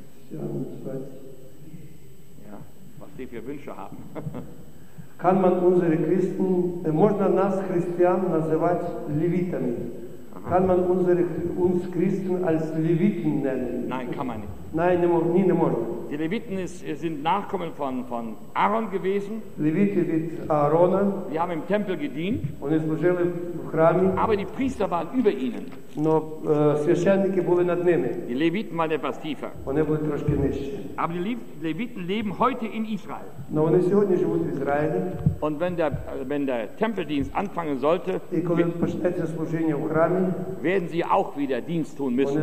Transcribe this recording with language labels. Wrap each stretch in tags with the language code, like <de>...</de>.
<de>Ja, was die für Wünsche haben. Kann man unsere Christen,</de> <ru>можно нас христиан называть левитами?</ru> <de>Kann man uns Christen als Leviten nennen? Nein, kann man nicht. Nein, nie</de> <ru>можно.</ru> <de>Die Leviten sind Nachkommen von Aaron gewesen.</de> <uk>Levite від Аарона.</uk> <de>Die haben im Tempel gedient.</de> <uk>Вони служили в храмі.</uk> <de>Aber die Priester waren über ihnen.</de> <uk>Но священники були над ними.</uk> <de>Die Leviten waren etwas tiefer.</de> <uk>Вони були трошки нижче.</uk> <de>Aber die Leviten leben heute in Israel.</de> <uk>Но вони сьогодні живуть в Ізраїлі.</uk> <de>Und wenn der Tempeldienst anfangen sollte,</de> <uk>і коли почнеться служіння в храмі,</uk> <de>werden sie auch wieder Dienst tun müssen.</de>